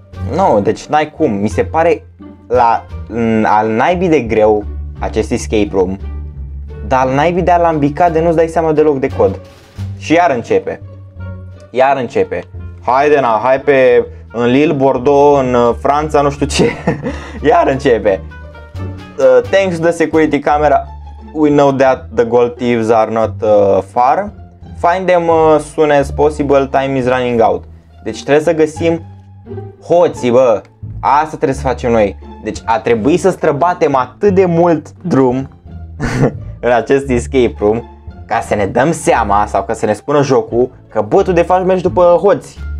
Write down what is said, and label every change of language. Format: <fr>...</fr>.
<ro>Nu, no, deci n-ai cum, mi se pare la al naibii de greu acest escape room, dar al naibii de alambicat de nu-ți dai seama deloc de cod. Și iar începe, iar începe, haide na, hai pe în Lille, Bordeaux, în Franța, nu știu ce, iar începe.</ro> <en>Thanks to the security camera, we know that the gold thieves are not far. Find them as soon as possible, time is running out.</en> <ro>Deci trebuie să găsim hoții, bă. Asta trebuie să facem noi. Deci a trebuit să străbatem atât de mult drum în acest escape room ca să ne dăm seama sau ca să ne spună jocul că bă, tu de fapt mergi după hoți.</ro>